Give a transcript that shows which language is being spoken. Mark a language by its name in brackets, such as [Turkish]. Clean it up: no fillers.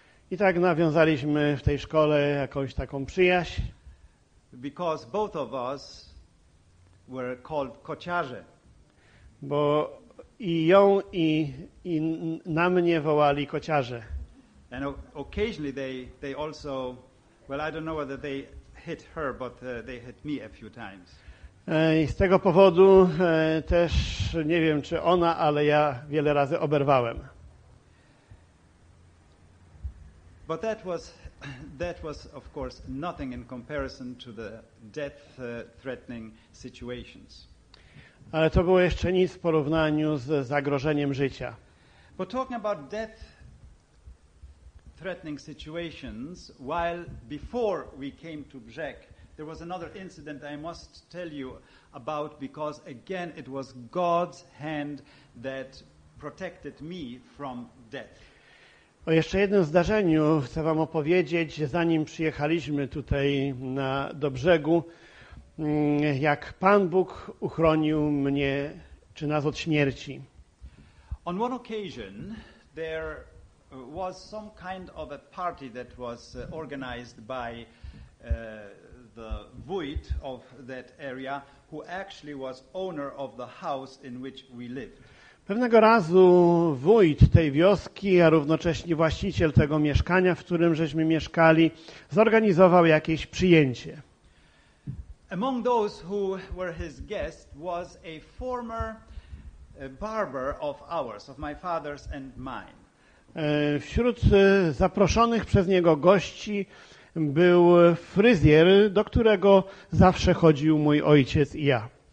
[Polish] I tak nawiązaliśmy w tej szkole jakąś taką przyjaźń. [English] Because both of us were called kociarze. [Polish] Bo I ją i na mnie wołali kociarze. [English] And occasionally they also, well, I don't know whether they hit her, but they hit me a few times. [Polish] I z tego powodu też nie wiem, czy ona, ale ja wiele razy oberwałem. [English] But that was of course nothing in comparison to the death threatening situations. [Polish] Ale to było jeszcze nic w porównaniu z zagrożeniem życia. [English] But talking about death threatening situations, while before we came to Brzeg, there was another incident I must tell you about, because again it was God's hand that protected me from death. [Polish] O jeszcze jednym zdarzeniu chcę wam opowiedzieć, zanim przyjechaliśmy tutaj do brzegu, jak Pan Bóg uchronił mnie czy nas od śmierci. [English] On one occasion there was some kind of a party that was organized by the wójt of that area, who actually was owner of the house in which we lived. [Polish] Pewnego razu wójt tej wioski, a równocześnie właściciel tego mieszkania, w którym żeśmy mieszkali, zorganizował jakieś przyjęcie. [English] Among those who were his guests was a former barber of ours, of my father's and mine. [Polish] Wśród zaproszonych przez niego gości był fryzjer, do którego zawsze chodził mój ojciec i ja.